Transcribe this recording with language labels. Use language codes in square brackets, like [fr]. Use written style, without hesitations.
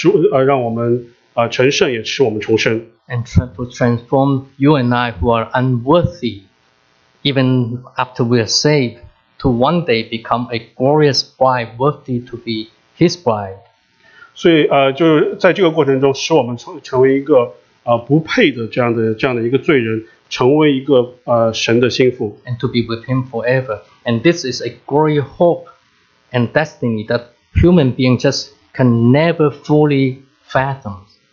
[zh] 所以圣灵就是在我们中间和我们，就是我们也在其中一部分和我们一同做工，让我们成圣，也使我们重生。 [en] And to transform you and I who are unworthy, even after we are saved, to one day become a glorious bride worthy to be His bride. [zh] 所以就是在这个过程中，使我们成为一个不配的这样的一个罪人，成为一个神的心腹。 [en] And to be with Him forever. And this is a great hope and destiny that human being just can never fully fathom.